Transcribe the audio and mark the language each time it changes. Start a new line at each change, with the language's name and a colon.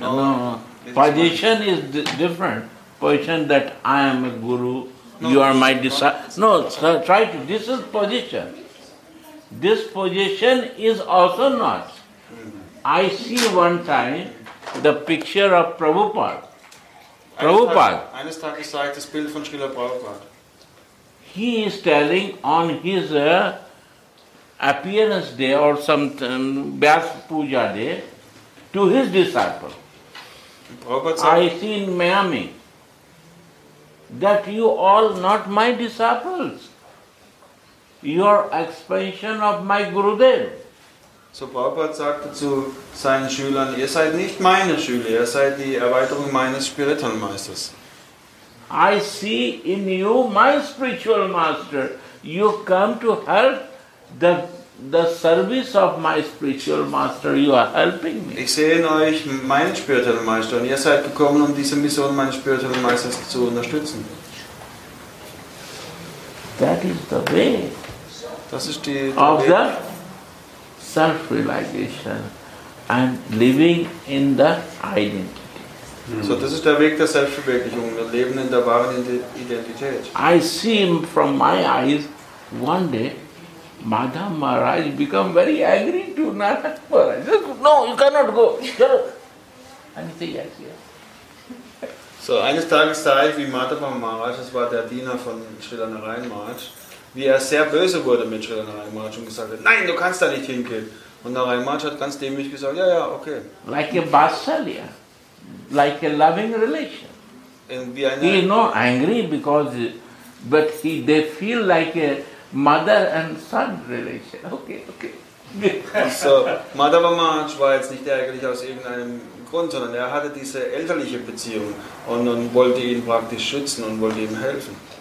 English: No, position is different. Position that I am a guru, no, you are my disciple. No, sir, try to, this is position. This position is also not. I see one time the picture of Prabhupada. Prabhupada.
German: Eines Tages sah ich das Bild von Srila Prabhupada.
English: He is telling on his appearance day or some Vyasa Puja day, to his disciple. I see in Miami that you all not my disciples. Your expansion of my Gurudev.
German: So Prabhupada sagte zu seinen Schülern, ihr seid nicht meine Schüler, ihr seid die Erweiterung meines spirituellen Meisters.
English: I see in you my spiritual master. You come to help the service of my spiritual master. You are helping me.
German: Ich sehe in euch meinen spirituellen Meister und ihr seid gekommen, um diese Mission meines spirituellen Meisters zu unterstützen.
English: That is the way.
German: Das ist die
English: of the self-realization and living in the identity.
German: So das ist der Weg der Selbstverwirklichung, wir leben in der wahren Identität.
English: I see him from my eyes one day Madhav Maharaj become very angry to Narad Maharaj. No, you cannot go. And he said, yes, yes.
German: So eines Tages sah ich, wie Madhav Maharaj, das war der Diener von Srila Narayan Maharaj, wie er sehr böse wurde mit Srila Narayan Maharaj und gesagt hat, nein, du kannst da nicht hingehen. Und Narayan Maharaj hat ganz demütig gesagt, ja, ja, okay.
English: Like a Vatsalya, like a loving relation.
German: Eine,
English: he is not angry because, but he, they feel like a mother and son relation. Okay, okay.
German: So, Madhava Maharaj war jetzt nicht ärgerlich aus irgendeinem Grund, sondern er hatte diese elterliche Beziehung und wollte ihn praktisch schützen und wollte ihm helfen.